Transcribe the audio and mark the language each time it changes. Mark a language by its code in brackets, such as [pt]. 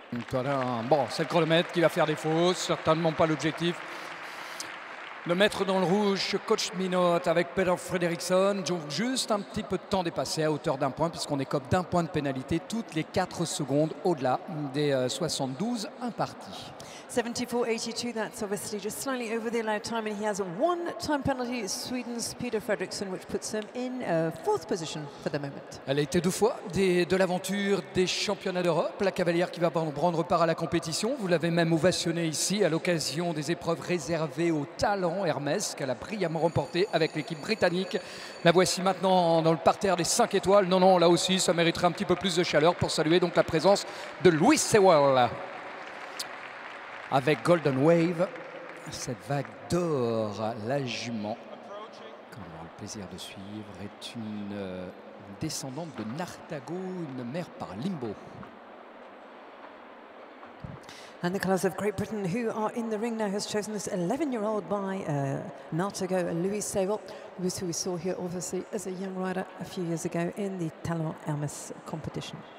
[fr] Bon, c'est le chronomètre qui va faire défaut, certainement pas l'objectif. Le maître dans le rouge, coach Minot avec Peter Frederiksen. Juste un petit peu de temps dépassé à hauteur d'un point, puisqu'on écope d'un point de pénalité toutes les 4 secondes au-delà des 72 impartis. [en] 74-82, that's obviously just slightly over the allowed time, and he has one time penalty, Sweden's Peter Frederiksen, which puts him in fourth position for the moment. [fr] Elle a été deux fois de l'aventure des championnats d'Europe, la cavalière qui va prendre part à la compétition. Vous l'avez même ovationné ici à l'occasion des épreuves réservées au talent Hermès, qu'elle a brillamment remporté avec l'équipe britannique. La voici maintenant dans le parterre des 5 étoiles. Non, là aussi, ça mériterait un petit peu plus de chaleur pour saluer donc la présence de Louis Sewell. Avec Golden Wave, cette vague d'or, la jument, qu'on aura le plaisir de suivre, est une descendante de Nartago, une mère par Limbo. [en] And the colours of Great Britain, who are in the ring now, has chosen this 11-year-old by Nartago, Louis Sewell, who we saw here obviously as a young rider a few years ago in the Talon Hermes competition.